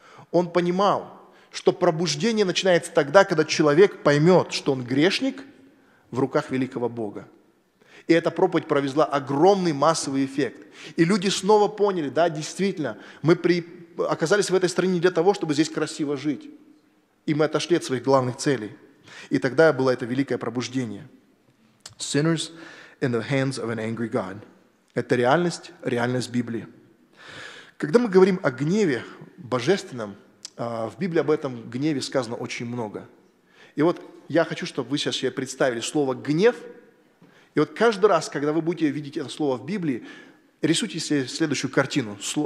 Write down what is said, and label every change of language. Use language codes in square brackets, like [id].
[ru] Он понимал, что пробуждение начинается тогда, когда человек поймет, что он грешник в руках великого Бога. И эта проповедь произвела огромный массовый эффект. И люди снова поняли, да, действительно, мы оказались в этой стране не для того, чтобы здесь красиво жить. И мы отошли от своих главных целей. И тогда было это великое пробуждение. [en] Sinners in the hands of an angry God. [ru] Это реальность, реальность Библии. Когда мы говорим о гневе божественном, в Библии об этом гневе сказано очень много. И вот я хочу, чтобы вы сейчас себе представили слово «гнев». И вот каждый раз, когда вы будете видеть это слово в Библии, рисуйте себе следующую картину.